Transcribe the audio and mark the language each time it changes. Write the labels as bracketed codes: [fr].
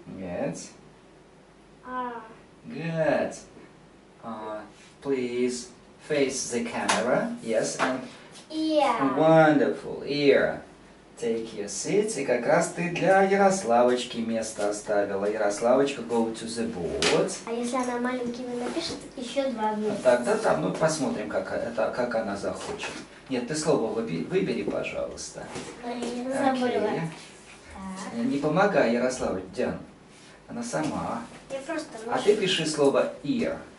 [en] Good. R. Good. Please face the camera. Yes, and... Yeah. Wonderful. Ear. Take your seat. [ru] И как раз ты для Ярославочки место оставила. [en] Ярославочка, go to the board. [ru] А если она маленькими напишет, еще два вместе. Тогда там, ну, посмотрим, как она захочет. Нет, ты слово выбери, пожалуйста. Я забыла. Не помогай, Ярослава, Диан. Она сама. Я просто... А ты пиши слово ear.